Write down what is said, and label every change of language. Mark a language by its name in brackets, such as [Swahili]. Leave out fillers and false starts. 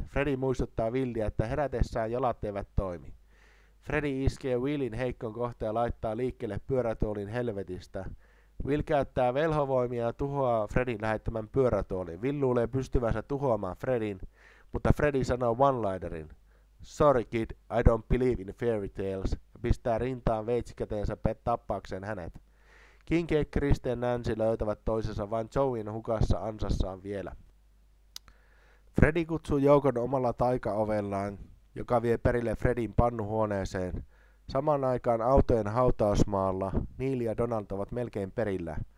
[Finnish] Freddy muistuttaa Willia, että herätessään jalat eivät toimi. Freddy iskee Willin heikkoon kohtaan ja laittaa liikkeelle pyörätuolin helvetistä. Will käyttää velhovoimia ja tuhoaa Freddyn lähettämän pyörätuolin. Will luulee pystyvänsä tuhoamaan Freddyn, mutta Freddy sanoo one-linerin. [English] Sorry kid, I don't believe in fairy tales. [Finnish] Pistää rintaan veitsikäteensä tappaakseen hänet. Kincaid, Kristen ja Nancy löytävät toisensa vain Joeyn hukassa ansassaan vielä. Freddy kutsuu joukon omalla taikaovellaan, joka vie perille Freddyn pannuhuoneeseen. Samaan aikaan autojen hautausmaalla Neil ja Donald ovat melkein perillä.